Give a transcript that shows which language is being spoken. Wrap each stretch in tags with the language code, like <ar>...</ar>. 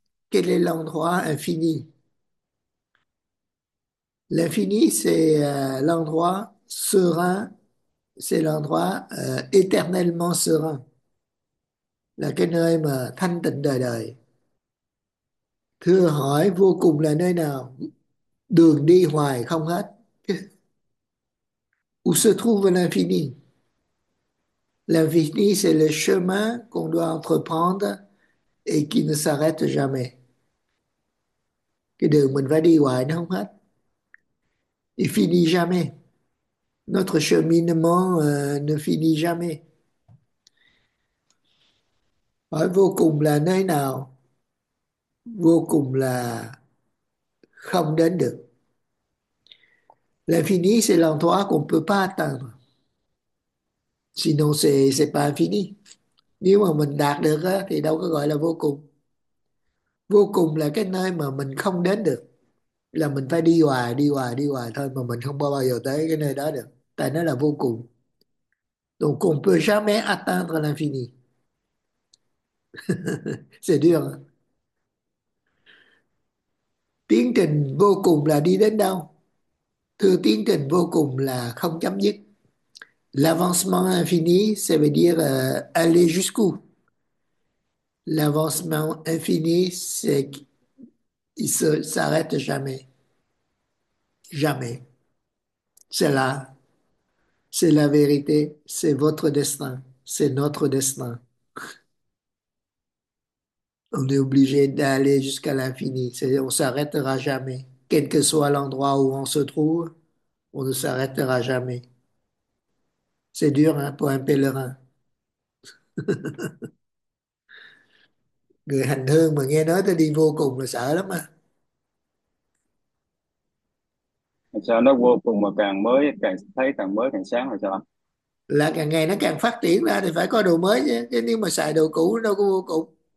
<fr>Quel est l'endroit infini? L'infini, c'est l'endroit serein, c'est l'endroit éternellement serein.</fr> <vi>Là cái nơi mà thanh tịnh đời đời. Thưa hỏi, vô cùng là nơi nào? Đường đi hoài không hết.</vi> <fr>Où se trouve l'infini? L'infini, c'est le chemin qu'on doit entreprendre et qui ne s'arrête jamais.</fr> <vi>Cái đường mình phải đi hoài nó không hết.</vi> <fr>Il finit jamais. Notre cheminement ne finit jamais.</fr> <vi>Hỏi vô cùng là nơi nào? Vô cùng là không đến được.</vi> <fr>L'infini, c'est l'endroit qu'on ne peut pas atteindre. Sinon, c'est pas infini.</fr> <vi>Nếu mà mình đạt được á, thì đâu có gọi là vô cùng. Vô cùng là cái nơi mà mình không đến được. Là mình phải đi hoài, đi hoài, đi hoài thôi, mà mình không bao giờ tới cái nơi đó được. Tại nó là vô cùng.</vi> <fr>Donc, on peut jamais atteindre l'infini. C'est dur.</fr> <vi>Tiến trình vô cùng là đi đến đâu? Thưa, tiến trình vô cùng là không chấm dứt.</vi> <fr>L'avancement infini, ça veut dire aller jusqu'où? L'avancement infini, c'est qu'il ne s'arrête jamais. Jamais. C'est là. C'est la vérité. C'est votre destin. C'est notre destin. On est obligé d'aller jusqu'à l'infini. On ne s'arrêtera jamais. Quel que soit l'endroit où on se trouve, on ne s'arrêtera jamais. C'est dur, hein, pour un pèlerin.</fr> <vi>Người hành hương mà nghe nói tới đi vô cùng là sợ lắm à. Sao nó vô cùng mà càng mới càng thấy càng mới càng sáng rồi sao? Là càng ngày nó càng phát triển ra thì phải có đồ mới chứ. Chứ nếu mà xài đồ cũ nó đâu có vô cùng.</vi>